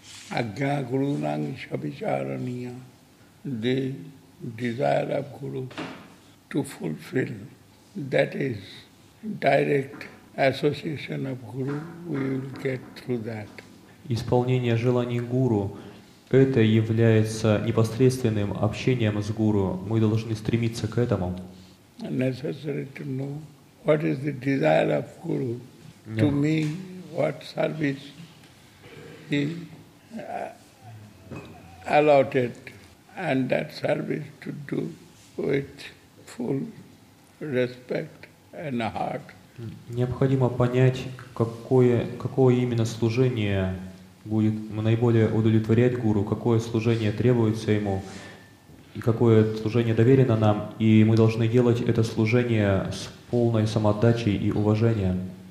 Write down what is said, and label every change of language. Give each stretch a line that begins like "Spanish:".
Sanskrit: Agya Guru Nang Shabicharaniya.
English: The desire of Guru to fulfill, that is direct association of Guru, we will get through that.
Russian: Исполнение желаний Гуру – это является непосредственным общением с Гуру. Мы должны стремиться к этому.
English: Necessary to know what is the desire of Guru to me, what service he allotted, and that service to do with full respect and heart.
Russian: Необходимо понять, какое именно служение будет наиболее удовлетворять Гуру, какое служение требуется ему, и какое служение доверено нам, и мы должны делать это служение с полной самоотдачей и уважением.